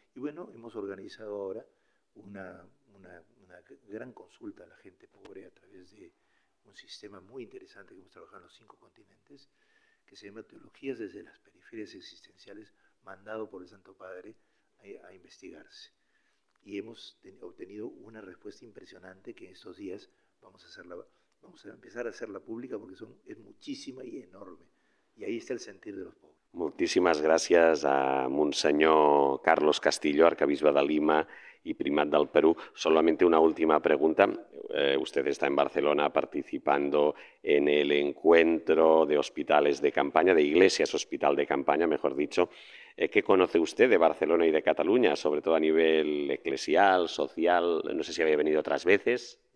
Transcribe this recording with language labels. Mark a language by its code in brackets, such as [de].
[es] Y bueno, hemos organizado ahora una gran consulta a la gente pobre a través de un sistema muy interesante que hemos trabajado en los 5 continentes, que se llama Teologías desde las Periferias Existenciales, mandado por el Santo Padre a investigarse. Y hemos obtenido una respuesta impresionante que en estos días vamos a empezar a hacerla pública, porque es muchísima y enorme. Y ahí está el sentir de los pobres. [ca] Moltíssimes gràcies a Monsenyor Carlos Castillo, arcabisbe de Lima y primat del Perú. [es] Solamente una última pregunta. Usted está en Barcelona participando en el encuentro de hospitales de campaña, de iglesias hospital de campaña, mejor dicho. ¿Qué conoce usted de Barcelona y de Cataluña, sobre todo a nivel eclesial, social? No sé si había venido otras veces.